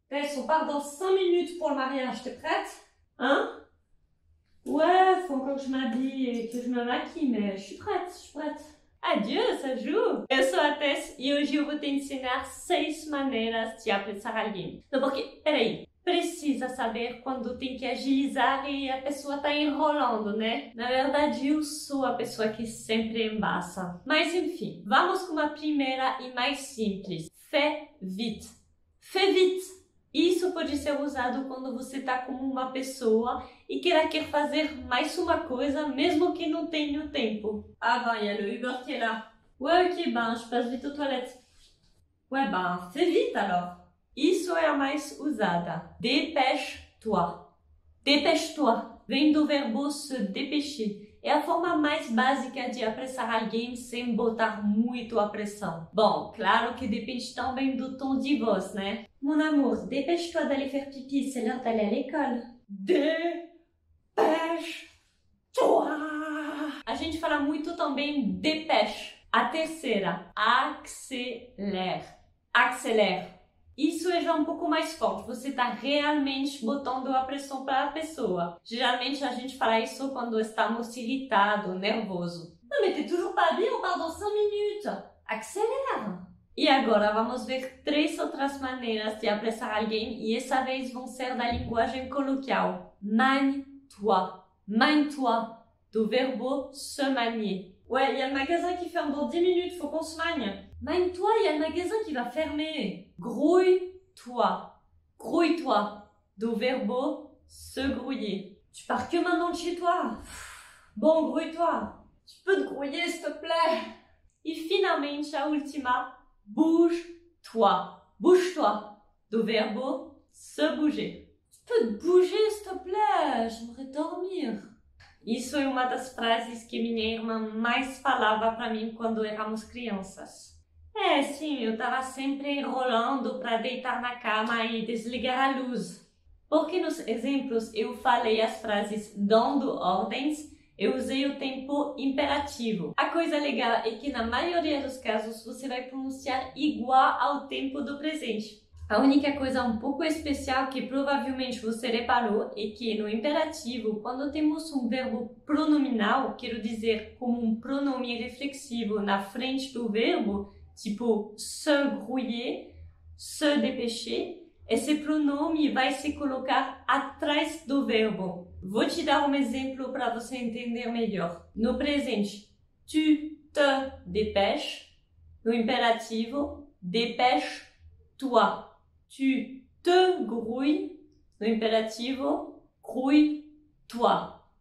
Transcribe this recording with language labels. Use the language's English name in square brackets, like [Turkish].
[French] Ben, ils sont partent dans 5 minutes pour le mariage, t'es prête? Hein? Ouais, faut encore que je m'habille et que je me maquille, mais je suis prête, je suis prête. Adieu, ça joue! [Portuguese] Eu sou a Tess e hoje eu vou te ensinar 6 maneiras de apressar alguém. Não, porque, peraí, precisa saber quando tem que agilizar e a pessoa tá enrolando, né? Na verdade, eu sou a pessoa que sempre embaça. Mas enfim, vamos com uma primeira e mais simples. [French] Fais vite. Fais vite! [Portuguese] Isso pode ser usado quando você está com uma pessoa e que ela quer fazer mais uma coisa, mesmo que não tenha o tempo. [French] Ah, ben, il y a le Uber qui est là. Ouais, ok, ben, je passe vite aux toilettes. Ouais, ben, fais vite alors. [Portuguese] Isso é a mais usada. Dépêche-toi. Dépêche-toi vem do verbo se dépêcher. É a forma mais básica de apressar alguém sem botar muito a pressão. Bom, claro que depende também do tom de voz, né? [French] Mon amour, dépêche-toi d'aller faire pipi, c'est l'heure d'aller à l'école. Dépêche-toi. [Portuguese] A gente fala muito também dépêche. A terceira, accélère. Accélère. Isso é já um pouco mais forte, você está realmente botando a pressão para a pessoa. Geralmente a gente fala isso quando estamos irritado, nervoso. [French] Não, mais t'es toujours pas bien, on parle dans 5 minutes. Accélère. [Portuguese] E agora vamos ver 3 outras maneiras de apressar alguém e essa vez vão ser da linguagem coloquial. [French] Magne-toi. Magne-toi. [Portuguese] Do verbo se manier. [French] Ouais, y a le magasin qui ferme dans 10 minutes, faut qu'on se magne. Magne-toi, il y a le magasin qui va fermer. Grouille-toi. Grouille-toi. [Portuguese] Do verbo se grouiller. [French] Tu pars que maintenant de chez toi? Bon, grouille-toi. Tu peux te grouiller, s'il te plaît? [Portuguese] E finalmente, a última. [French] Bouge-toi. Bouge-toi. [Portuguese] Do verbo se bouger. [French] Tu peux te bouger, s'il te plaît? J'aimerais dormir. [Portuguese] Isso é uma das frases que minha irmã mais falava para mim quando éramos crianças. É, sim, eu estava sempre enrolando para deitar na cama e desligar a luz. Porque nos exemplos eu falei as frases dando ordens, eu usei o tempo imperativo. A coisa legal é que na maioria dos casos você vai pronunciar igual ao tempo do presente. A única coisa um pouco especial que provavelmente você reparou é que no imperativo, quando temos um verbo pronominal, quero dizer, como um pronome reflexivo na frente do verbo, tipo se grouiller, se dépêcher, esse pronome vai se colocar atrás do verbo. Vou te dar um exemplo para você entender melhor. No presente, [French] tu te dépêches. [Portuguese] No imperativo, dépêche-toi. [French] Tu te grouilles, [Portuguese] no imperativo, [French] grouille-toi.